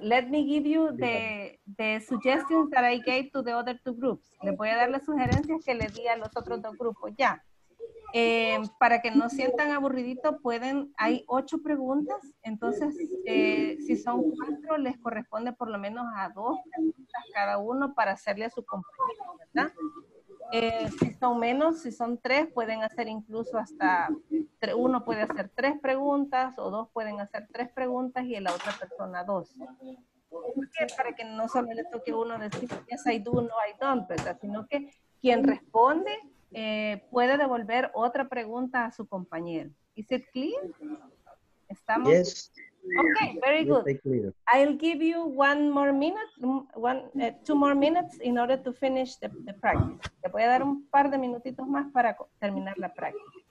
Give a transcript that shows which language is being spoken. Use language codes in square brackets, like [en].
[en] Let me give you the suggestions that I gave to the other two groups. [es] Les voy a dar las sugerencias que le di a los otros dos grupos. Ya. Para que no sientan aburridito, hay 8 preguntas. Entonces, si son 4, les corresponde por lo menos a 2 preguntas cada uno para hacerle a su compañero, ¿verdad? Si son menos, si son 3, pueden hacer incluso hasta, uno puede hacer 3 preguntas o 2 pueden hacer 3 preguntas y la otra persona 2. ¿Por qué? Para que no solo le toque uno decir, [en] yes, I do, no, I don't, [es] ¿verdad? Sino que quien responde puede devolver otra pregunta a su compañero. [en] ¿Is it clear? [es] ¿Estamos? [en] Yes. Okay, very good. I'll give you 2 more minutes in order to finish the practice. [es] Te voy a dar un par de minutitos más para terminar la práctica.